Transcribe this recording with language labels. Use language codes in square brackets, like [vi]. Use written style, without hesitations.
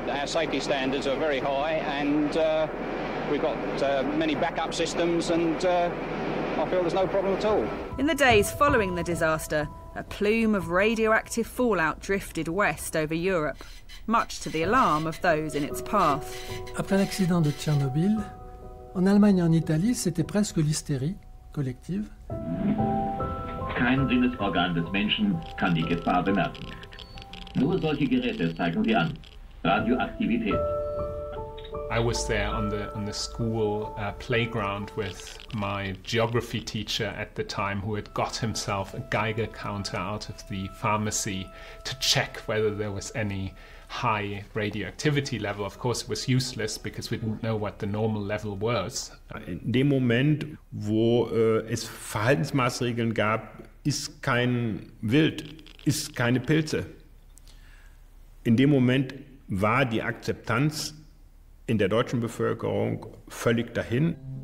[en] Our safety standards are very high, and we've got many backup systems, and I feel there's no problem at all. In the days following the disaster, a plume of radioactive fallout drifted west over Europe, much to the alarm of those in its path. After the accident of Chernobyl, in Germany and Italy, it was almost a hysteria collective. [de] Kein Sinnesorgan des Menschen kann die Gefahr bemerken. Nur solche Geräte zeigen sie an. Radioaktivität. [en] I was there on the school playground with my geography teacher at the time, who had got himself a Geiger counter out of the pharmacy to check whether there was any high radioactivity level. Of course, it was useless because we didn't know what the normal level was. [de] In dem Moment, wo es Verhaltensmaßregeln gab, ist kein Wild, ist keine Pilze. In dem Moment war die Akzeptanz in der deutschen Bevölkerung völlig dahin.